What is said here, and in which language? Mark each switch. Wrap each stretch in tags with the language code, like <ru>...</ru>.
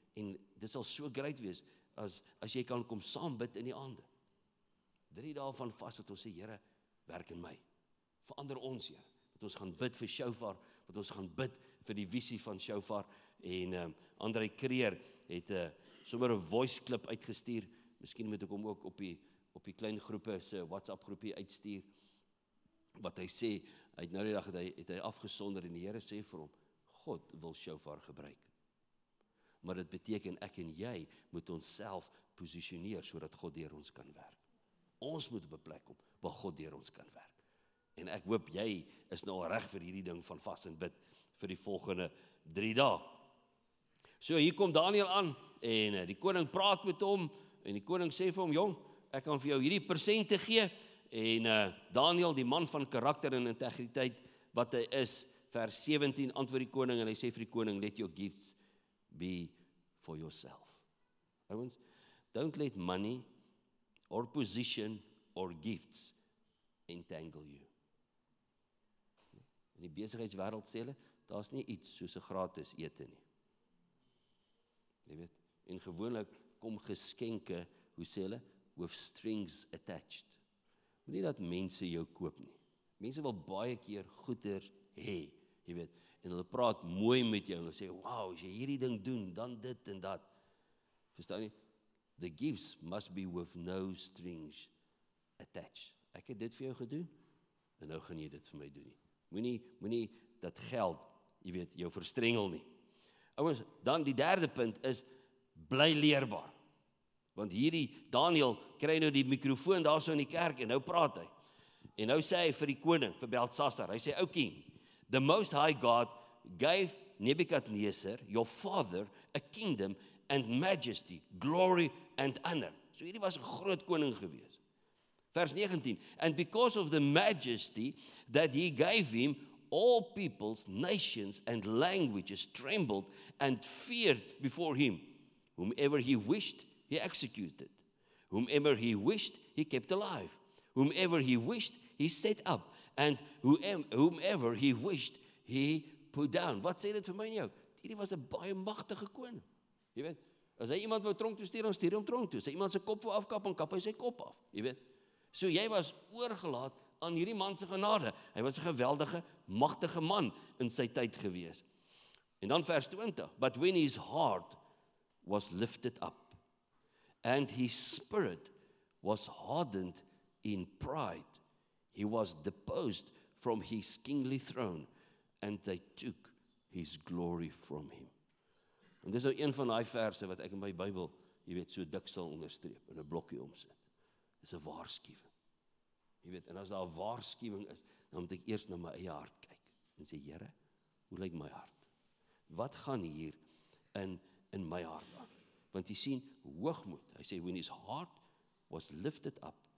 <af>En dit sal so great wees as jy kan kom saam bid in die aande. 3 dae van vas wat ons sê, Here, werk in my. Verander ons, Here. Wat ons gaan bid vir Shofar, wat ons gaan bid vir die visie van Shofar en Andre Kreer het sommer 'n voice clip uitgestuur. Miskien moet ek hom ook op die klein groepe se WhatsApp groepie uitstuur. Wat hy sê, hy het nou die dag het hy afgesonder en die Here sê vir hom, God wil Shofar gebruik. Maar dit beteken ek en jy moet onsself positioneer sodat God deur ons kan werk. Ons moet op 'n plek kom waar God deur ons kan werk. En ek hoop jy is nou reg vir hierdie ding van vas en bid vir die volgende 3 dae. So hier kom Daniel aan en die koning praat met hom en die koning sê vir hom, jong, ek kan vir jou hierdie persente gee en Daniel, die man van karakter en integriteit wat hy is, vers 17 antwoord die koning en hy sê vir die koning,</af> <en>let your gifts be for yourself. Ouens, don't let money or position or gifts entangle you.</en> <af>In die besigheidswêreld sê hulle, daar's nie iets soos 'n gratis ete nie. Jy weet, en gewoonlik kom geskenke, hoe sê hulle,</af> <en>with strings attached.</en> <af>Moenie dat mense jou koop nie. Mense wil baie keer goeders hê, jy weet, en hulle praat mooi met jou en hulle sê, wow, as jy hierdie ding doen, dan dit en dat. Verstaan nie?</af> <en>The gifts must be with no strings attached.</en> <af>Ek het dit vir jou gedoen, en nou gaan jy dit vir my doen nie. Moenie dat geld, jy weet, jou verstrengel nie. Ouens, dan die derde punt is, bly leerbaar. Want hierdie Daniel kry nou die mikrofoon daar so in die kerk en nou praat hy. En nou sê hy vir die koning, vir Belsasar, hy sê,</af> <en>O king, the most high God gave Nebuchadnezzar, your father, a kingdom and majesty, glory and honor.</en> <af>So hierdie was 'n groot koning gewees.</af> <en>Vers 19, and because of the majesty that he gave him, all peoples, nations, and languages trembled and feared before him. Whomever he wished, he executed. Whomever he wished, he kept alive. Whomever he wished, he set up. And whomever he wished, he put down.</en> <af>Wat sê dit vir my en jou? Hierdie was 'n baie magtige koning. Jy weet, as hy iemand wou tronk toe stuur, dan stuur hy hom tronk toe. As hy iemand sy kop wou afkap, dan kap hy sy kop af. Jy weet, so jy was oorgelaat aan hierdie man se genade. Hy was 'n geweldige, magtige man in sy tyd gewees. En dan vers 20,</af> <en>but when his heart was lifted up and his spirit was hardened in pride, he was deposed from his kingly throne and they took his glory from him.</en> <af>En dis nou een van daai verse wat ek in my Bybel, jy weet, so dik sal onderstreep in 'n blokkie omsit. Dis 'n waarskuwing. Jy weet, en as daar 'n waarskuwing is, dan moet ek eers na my eie hart kyk en sê, Here, hoe lyk my hart? Wat gaan hier in my hart aan? Want jy sien, hoogmoed, hy sê,</af> <en>when his heart was lifted up</en>